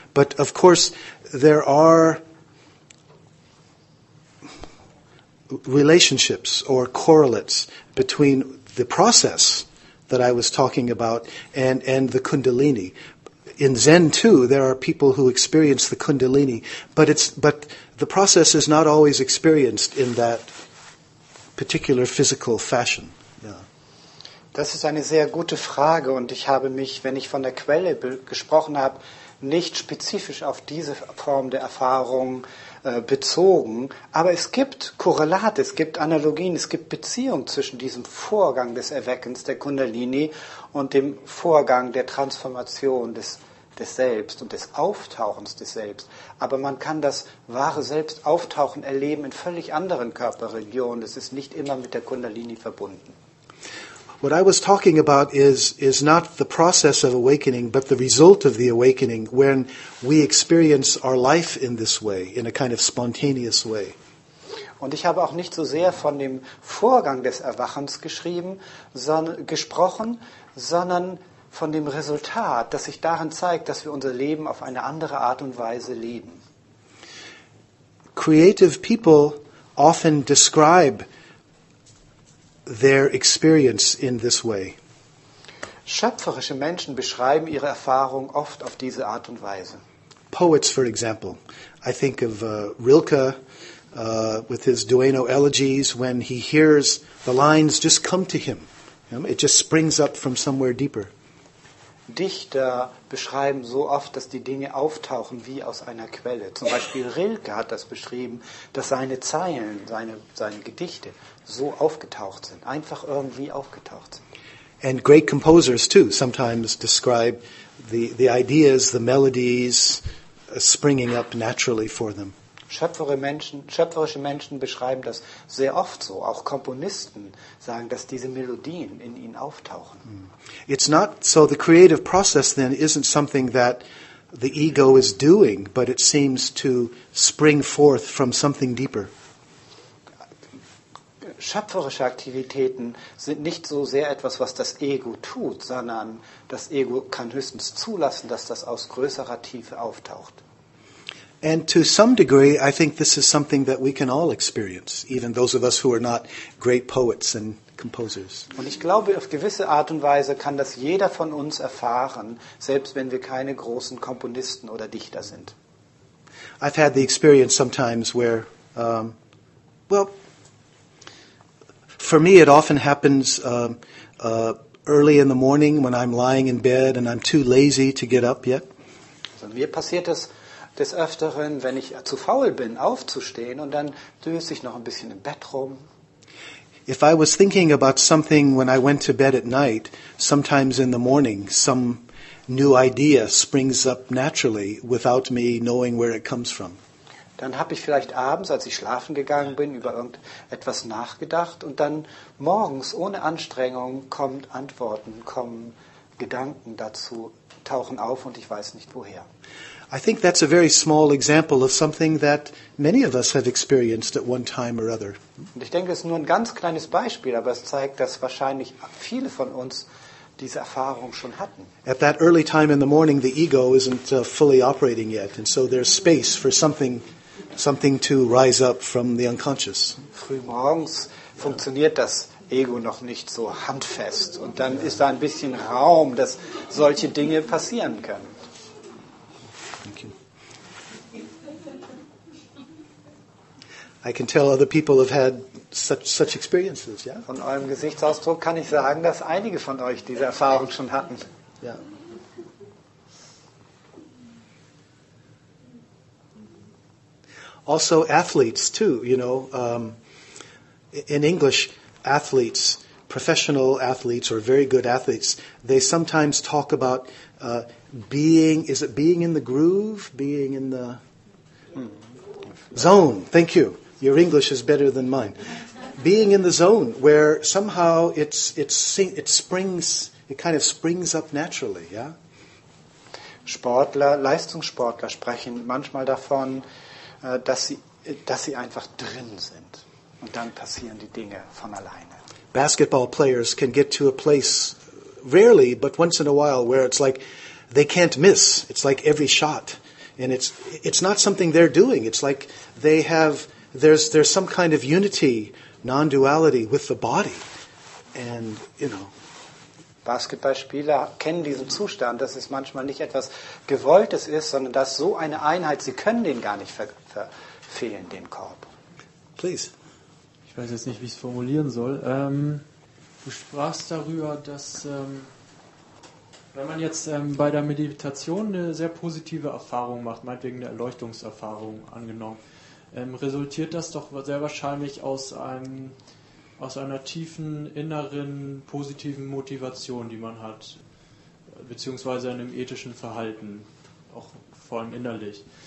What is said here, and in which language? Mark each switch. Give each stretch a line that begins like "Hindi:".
English: But of course, there are relationships or correlates between the process that I was talking about and the Kundalini. In Zen too, there are people who experience the Kundalini, but the process is not always experienced in that particular physical fashion. Yeah.
German: Das ist eine sehr gute Frage, und ich habe mich, wenn ich von der Quelle gesprochen habe, nicht spezifisch auf diese Form der Erfahrung bezogen, aber es gibt Korrelate, es gibt Analogien, es gibt Beziehungen zwischen diesem Vorgang des Erweckens der Kundalini und dem Vorgang der Transformation des Selbst und des Auftauchens des Selbst. Aber man kann das wahre Selbst auftauchen erleben in völlig anderen Körperregionen. Es ist nicht immer mit der Kundalini verbunden.
English: What I was talking about is not the process of awakening, but the result of the awakening, when we experience our life in this way, in a kind of spontaneous way.
German: Und ich habe auch nicht so sehr von dem Vorgang des Erwachens gesprochen, sondern von dem Resultat, das sich darin zeigt, dass wir unser Leben auf eine andere Art und Weise leben.
English: Creative people often describe their experience in this way.
German: Schöpferische Menschen beschreiben ihre Erfahrung oft auf diese Art und Weise.
English: Poets, for example, I think of Rilke with his Dueno elegies, when he hears the lines just come to him. It just springs up from somewhere deeper.
German: Dichter beschreiben so oft, dass die Dinge auftauchen wie aus einer Quelle. Zum Beispiel Rilke hat das beschrieben, dass seine Zeilen, seine Gedichte so aufgetaucht sind, einfach irgendwie aufgetaucht sind.
English: And great composers too sometimes describe the ideas, the melodies springing up naturally for them.
German: Schöpferische Menschen beschreiben das sehr oft so. Auch Komponisten sagen, dass diese Melodien in ihnen auftauchen.
English: It's not so the creative process then isn't something that the ego is doing, but it seems to spring forth from something deeper.
German: schöpferische Aktivitäten sind nicht so sehr etwas, was das Ego tut, sondern das Ego kann höchstens zulassen, dass das aus größerer Tiefe auftaucht.
English: And to some degree, I think this is something that we can all experience, even those of us who are not great poets and composers.
German: Und ich glaube, auf gewisse Art und Weise kann das jeder von uns erfahren, selbst wenn wir keine großen Komponisten oder Dichter sind.
English: I've had the experience sometimes where, well, for me it often happens early in the morning when I'm lying in bed and I'm too lazy to get up yet.
German: Also mir passiert das des Öfteren, wenn ich zu faul bin, aufzustehen, und dann döse ich noch ein bisschen im Bett rum.
English: If I was thinking about something when I went to bed at night, sometimes in the morning, some new idea springs up naturally without me knowing where it comes from.
German: Dann habe ich vielleicht abends, als ich schlafen gegangen bin, über irgendetwas nachgedacht, und dann morgens ohne Anstrengung kommen Gedanken dazu, tauchen auf, und ich weiß nicht woher.
English: I think that's a very small example of something that many of us have experienced at one time or other.
German: Und ich denke, es ist nur ein ganz kleines Beispiel, aber es zeigt, dass wahrscheinlich viele von uns diese Erfahrung schon hatten.
English: At that early time in the morning, the ego isn't fully operating yet, and so there's space for something to rise up from the unconscious.
German: Früh morgens funktioniert das Ego noch nicht so handfest, und dann ist da ein bisschen Raum, dass solche Dinge passieren können.
English: I can tell other people have had such experiences, yeah?
German: Von eurem Gesichtsausdruck kann ich sagen, dass einige von euch diese Erfahrung schon hatten.
English: Yeah. Also athletes too, you know. In English, athletes, professional athletes or very good athletes, they sometimes talk about being in the groove, being in the zone. Thank you. Your English is better than mine. Being in the zone where somehow it kind of springs up naturally, yeah?
German: Sportler, Leistungssportler sprechen manchmal davon, dass sie einfach drin sind, und dann passieren die Dinge von alleine.
English: Basketball players can get to a place rarely, but once in a while, where it's like they can't miss. It's like every shot, and it's not something they're doing. It's like they have There's some kind of unity, non-duality with the body, and you know.
German: Basketballspieler kennen diesen Zustand, dass es manchmal nicht etwas Gewolltes ist, sondern dass so eine Einheit, sie können den gar nicht verfehlen, den Korb.
English: Please.
German: Ich weiß jetzt nicht, wie ich es formulieren soll. Du sprachst darüber, dass wenn man jetzt bei der Meditation eine sehr positive Erfahrung macht, meinetwegen eine Erleuchtungserfahrung angenommen, resultiert das doch sehr wahrscheinlich aus einer tiefen, inneren, positiven Motivation, die man hat, beziehungsweise einem ethischen Verhalten, auch vor allem innerlich.